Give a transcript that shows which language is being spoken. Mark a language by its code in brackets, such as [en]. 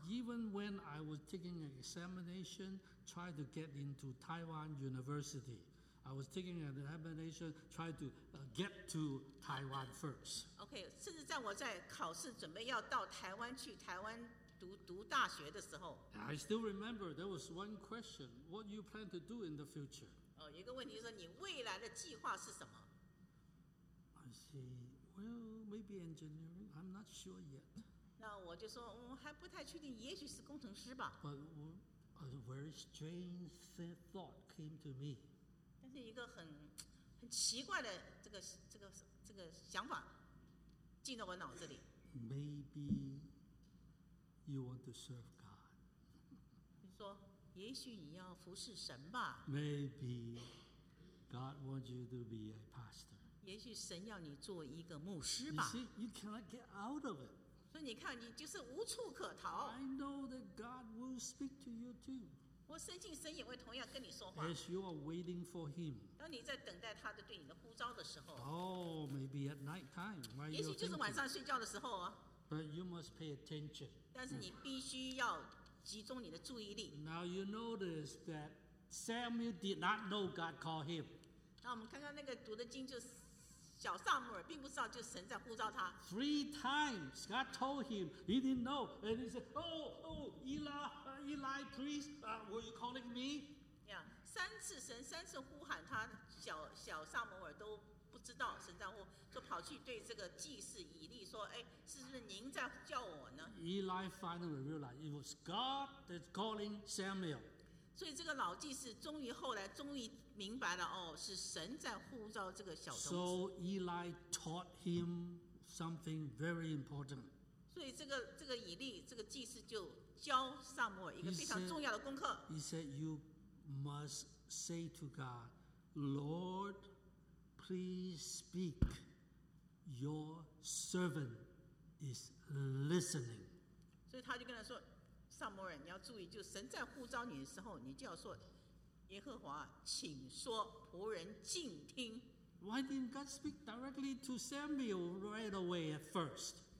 [en] Even when I was taking an examination, trying to get into Taiwan University, I was taking an examination, trying to get to Taiwan first. [zh] Okay, 甚至在我在考试准备要到台湾去台湾读大学的时候。 [en] I still remember there was one question: What do you plan to do in the future? [zh] 一个问题是你未来的计划是什么？ [en] I see. Well, maybe engineering. I'm not sure yet. [zh] 那我就说，我还不太确定，也许是工程师吧。 [en] But a very strange thought came to me. [zh] 但是一个很奇怪的这个想法进到我脑子里。 [en] Maybe you want to serve God. [zh] 你说，也许你要服侍神吧。 [en] Maybe God wants you to be a pastor. [zh] 也许神要你做一个牧师吧。 [en] You see, you cannot get out of it. [zh] 所以你看，你就是无处可逃。 [en] I know that God will speak to you too. [zh] 我深信神也会同样跟你说话。 [en] As you are waiting for Him. [zh] 当你在等待他的对你的呼召的时候。 [en] Oh, maybe at night time. [zh] 也许就是晚上睡觉的时候啊。 [en] But you must pay attention. [zh] 但是你必须要集中你的注意力。 [en] Now you notice that Samuel did not know God called him. [zh] 那我们看看那个读的经就是。小撒母耳并不知道，就是神在呼召他。 [en] Three times God told him he didn't know, and he said, "Oh, Eli, priest, were you calling me?" [zh] Yeah, 三次神三次呼喊他，小小撒母耳都不知道神在乎，就跑去对这个祭司以利说，哎，是不是您在叫我呢？ [en] Eli finally realized it was God that's calling Samuel. [zh] 所以这个老祭司终于后来终于明白了，哦，是神在呼召这个小童子。 [en] So Eli taught him something very important. [zh] 所以这个以利这个祭司就教撒母耳一个非常重要的功课。 [en] He said, you must say to God, Lord,Please speak. Your servant is listening. [zh] 所以他就跟他说，撒母耳，你要注意，就神在呼召你的时候，你就要说，耶和华，请说，仆人静听。 [en] Why didn't God speak directly to Samuel right away at first?